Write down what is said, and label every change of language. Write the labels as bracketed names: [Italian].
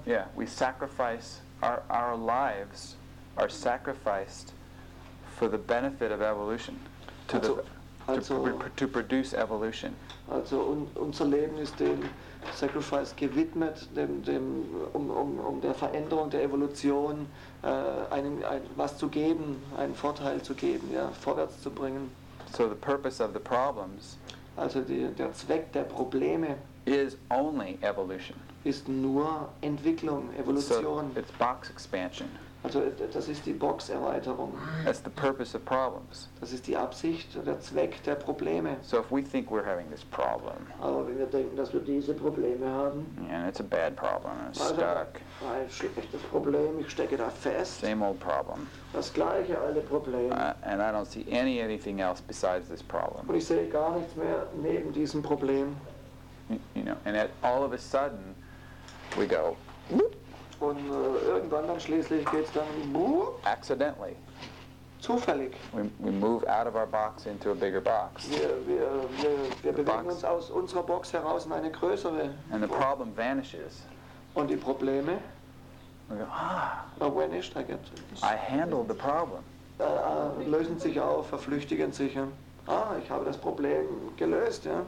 [English] Yeah, we sacrifice our lives are sacrificed for the benefit of evolution. To produce evolution. [German] Also unser Leben ist dem Sacrifice gewidmet, um der Veränderung der Evolution was zu geben, einen Vorteil zu geben, ja, vorwärts zu bringen. [English] So the purpose of the problems. [German] Also der Zweck der Probleme. [English] Is only evolution. [German] Ist nur Entwicklung, Evolution. [English] So it's box expansion. [German] Also das ist die Boxerweiterung. [English] That's the purpose of problems. [German] Das ist die Absicht, der Zweck der Probleme. [English] So if we think we're having this problem. [German] Aber wenn wir denken, dass wir diese Probleme haben. [English] Yeah, and it's a bad problem. I'm stuck. [German] Ein schlechtes Problem. Ich stecke da fest. [English] Same old problem. [German] Das gleiche alte Problem. [English] And I don't see anything else besides this problem. [German] Und ich sehe gar nichts mehr neben diesem Problem. [English] You know, and all of a sudden, we go. [German] Und irgendwann dann schließlich geht's dann [English] accidentally. [German] Zufällig. [English] We move out of our box into a bigger box. [German] Wir bewegen uns aus unserer Box heraus in eine größere. [English] And the problem vanishes. [German] Und die Probleme. [English] We go, are vanished, I guess. I handled the problem. [German] Lösen sich auf, verflüchtigen sich. Ich habe das Problem gelöst, ja.